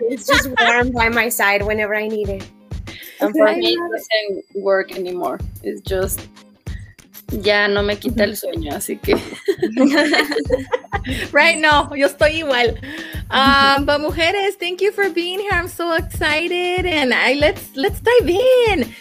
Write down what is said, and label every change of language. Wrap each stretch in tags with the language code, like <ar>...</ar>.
<en>It's just warm by my side whenever I need it. And for me, it doesn't work anymore. It's just...</en> <es>Ya no me quita el sueño, así que.</es> <en>Right,</en> <es>no, yo estoy igual.</es> <en>But mujeres, thank you for being here. I'm so excited, and let's dive in.</en>